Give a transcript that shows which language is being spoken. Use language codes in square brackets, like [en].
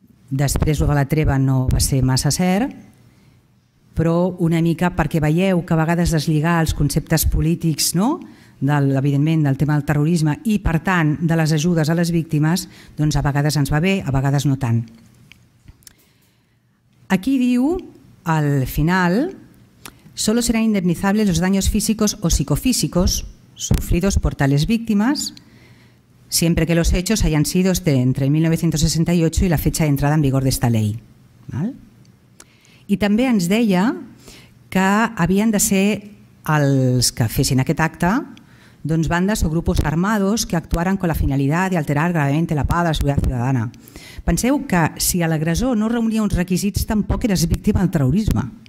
[ca] Després, el de la treva no va ser massa cert, però una mica perquè veieu que a vegades deslligar els conceptes polítics, evidentment, del tema del terrorisme i, per tant, de les ajudes a les víctimes, a vegades ens va bé, a vegades no tant. Aquí diu, al final, [es] solo serán indemnizables los daños físicos o psicofísicos sufridos por tales víctimas siempre que los hechos hayan sido entre 1968 y la fecha de entrada en vigor de esta ley. [ca] I també ens deia que havien de ser els que fessin aquest acte bandes o grups armats que actuaran [es] con la finalidad de alterar [ca] gravement [es] la paz [ca] de la seguretat ciutadana. Penseu que si l'agressor no reunia uns requisits tampoc eres víctima del terrorisme.